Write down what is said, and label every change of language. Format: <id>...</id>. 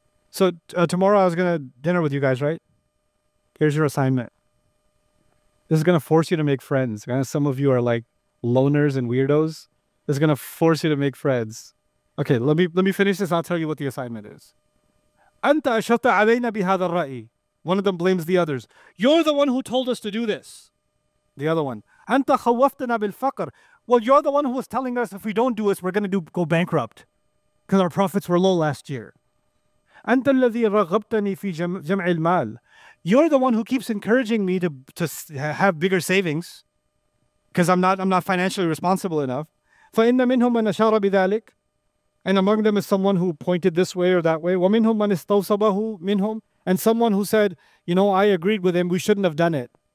<en>So tomorrow I was going to dinner with you guys, right? Here's your assignment. This is going to force you to make friends. Some of you are like loners and weirdos. This is going to force you to make friends. Okay, let me finish this. I'll tell you what the assignment is.</en> <ar>أنت أشرت علينا بهذا الرأي.</ar> <en>One of them blames the others. You're the one who told us to do this. The other one.</en> <ar>أنت خوفتنا بالفقر.</ar> <en>Well, you're the one who was telling us if we don't do this, we're going to go bankrupt because our profits were low last year.</en> <ar>أنت الذي رغبتني في جمع المال.</ar> <en>You're the one who keeps encouraging me to have bigger savings because I'm not financially responsible enough.</en> <ar>فإن منهم من أشار بذلك.</ar> <en>And among them is someone who pointed this way or that way.</en> <ar>ومنهم من استوصبه منهم.</ar> <en>And someone who said, you know, I agreed with him, we shouldn't have done it.</en>